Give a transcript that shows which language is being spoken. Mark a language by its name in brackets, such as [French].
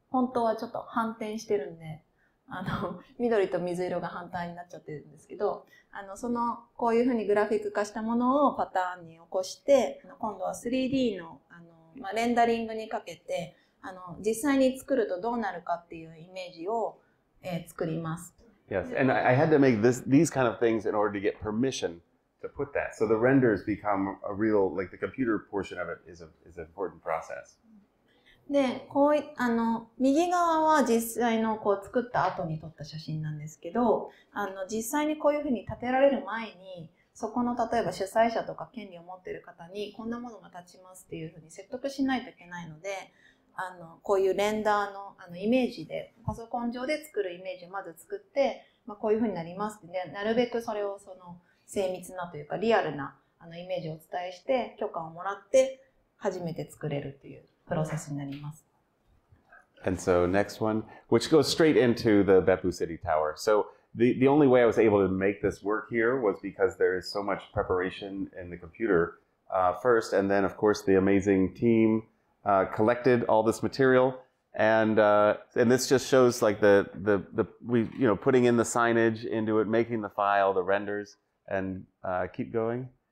[Japanese] 本当はちょっと反転してるんで、緑と水色が反対になっちゃってるんですけど、そのこういうふうにグラフィック化したものをパターンに起こして、今度は 3D の、レンダリングにかけて、実際に作るとどうなるかっていうイメージを、作ります。 [English] Yes, and I had to make these kind of things in order to get permission to put that. So the renders become a real, like the computer portion of it is an important process. [Japanese] で、こうい、右側は実際のこう作った後に撮った写真なんですけど、実際にこういうふうに建てられる前に、そこの例えば主催者とか権利を持っている方にこんなものが建ちますっていうふうに説得しないといけないので、こういうレンダー の, イメージで、パソコン上で作るイメージをまず作って、こういうふうになりますって、なるべくそれをその精密なというかリアルなイメージをお伝えして、許可をもらって初めて作れるっていうプロセスになります。 [English] And so next one, which goes straight into the Beppu City Tower. So the only way I was able to make this work here was because there is so much preparation in the computer、first, and then of course the amazing team、collected all this material, and this just shows like the we, you know, putting in the signage into it, making the file, the renders, and、keep going.